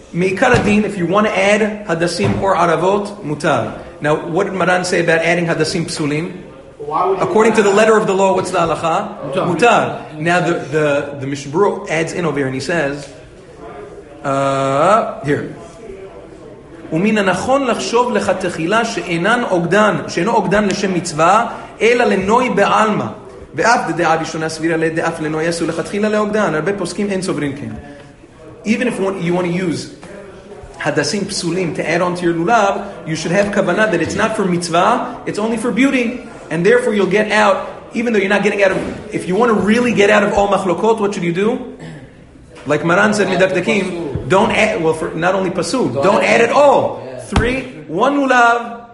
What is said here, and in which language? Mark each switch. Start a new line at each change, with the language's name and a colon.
English: Meikar Adin, if you want to add hadasim or aravot, mutar. Now, what did Maran say about adding hadasim psulim? According to the letter of the law, what's the halacha? Mutar. Now, the Mishnah Berurah adds in over here, and he says, here.
Hebrew: ומן הנכון לחשוב לכתחילה שאינו אוגדן לשם מצווה, אלא לנוי בעלמא. ואף דדעה ראשונה סבירה לדעף לנוי יסו לכתחילה לאוגדן. הרבה פוסקים אין סוברים כן.
English: Even if you want to use hadasim psulim to add on to your lulav, you should have kavanah that it's not for mitzvah, it's only for beauty. And therefore you'll get out, even though you're not getting out of, if you want to really get out of all machlokot, what should you do? Like Maran said, midakdakim, don't add, well, for not only pasul, don't add at all. Yeah. Three, one lulav,